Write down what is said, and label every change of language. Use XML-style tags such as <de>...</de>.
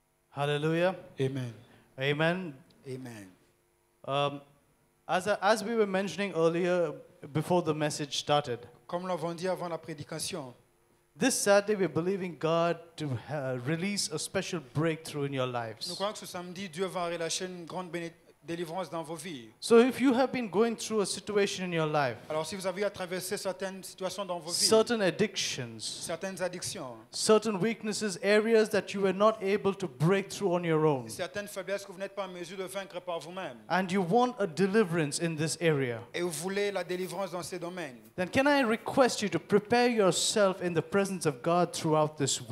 <en>Hallelujah. Amen. Amen. Amen. As we were mentioning earlier, before the message started,</en> <fr>comme l'avons dit avant la prédication,</fr> <en>this Saturday we're believing God to release a special breakthrough in your lives.</en> <fr>Nous croyons que ce samedi Dieu va relâcher une grande délivrance dans vos vies.</fr> <en>So if you have been going through a situation in your life,</en> <fr>alors si vous avez traversé certaines situations dans vos vies,</fr> <en>certain addictions,</en> <fr>certaines addictions,</fr> <en>certain weaknesses, areas that you were not able to break through on your own,</en> <fr>certaines faiblesses que vous n'êtes pas en mesure de vaincre par vous-même,</fr> <en>and you want a deliverance in this area,</en> <fr>et vous voulez la délivrance dans ces domaines,</fr> <en>then can I request you to prepare yourself in the presence of God throughout this week?</en>